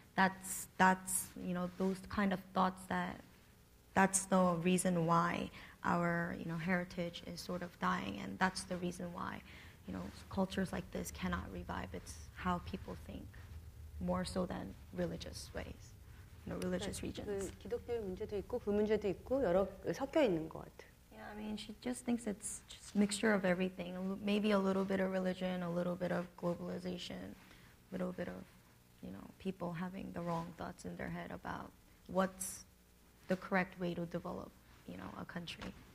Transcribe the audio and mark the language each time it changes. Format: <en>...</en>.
<en>That's, you know, those kind of thoughts that's the reason why our, you know, heritage is sort of dying and that's the reason why you know, cultures like this cannot revive. It's how people think, more so than religious ways, you know, religious regions.</en> <ko>기독교 문제도 있고 그 문제도 있고 여러 섞여 있는 것 같아.</ko> <en>Yeah, I mean, she just thinks it's just mixture of everything. Maybe a little bit of religion, a little bit of globalization, a little bit of, you know, people having the wrong thoughts in their head about what's the correct way to develop, you know, a country.</en>